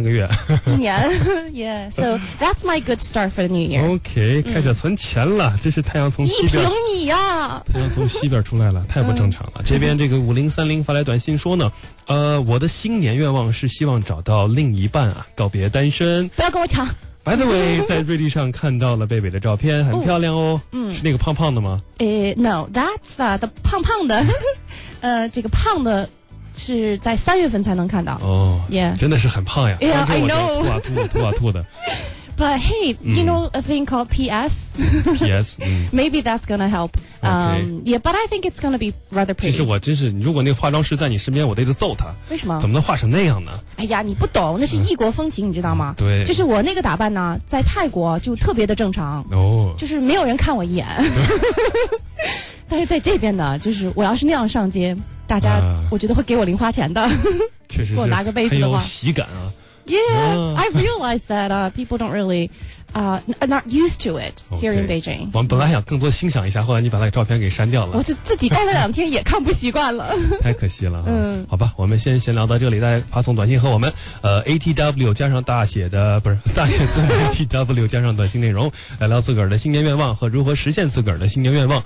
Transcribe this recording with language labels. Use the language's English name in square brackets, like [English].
[English] So that's my good start for the new year. [Chinese] Okay, 开始存钱了，这是太阳从西边。一平米呀、啊！太阳从西边出来了，太不正常了。这边这个5030发来短信说呢，我的新年愿望是希望找到另一半啊，告别单身。不要跟我抢。 [English] By the way, [Chinese] 在瑞丽上看到了贝贝的照片，很漂亮哦。嗯，是那个胖胖的吗？ [English] No, that's the [Chinese] 胖胖的。这个胖的是在3月份才能看到。哦、 [English] yeah. [Chinese] 真的是很胖呀。 [English] Yeah, I know. [Chinese] 吐啊吐啊吐啊吐的。 [English] But hey, you know a thing called PS? PS, maybe that's gonna help. Okay. Yeah, but I think it's gonna be rather pretty. [Chinese] 其实我真是，如果那个化妆师在你身边，我得揍他。为什么？怎么能化成那样呢？哎呀，你不懂，那是异国风情，你知道吗？对。就是我那个打扮呢，在泰国就特别的正常。哦、oh.。就是没有人看我一眼。但是在这边呢，就是我要是那样上街，大家我觉得会给我零花钱的。确实是。给我拿个杯子的话。很有喜感啊。 [English] Yeah, I realize that people don't really not used to it here okay, in Beijing. [Chinese] 我们本来想更多欣赏一下，后来你把那个照片给删掉了。我就自己待了两天，也看不习惯了。太可惜了。嗯，好吧，我们先闲聊到这里，再发送短信和我们ATW 加上大写的不是大写字母 ATW 加上短信内容，来聊自个儿的新年愿望和如何实现自个儿的新年愿望。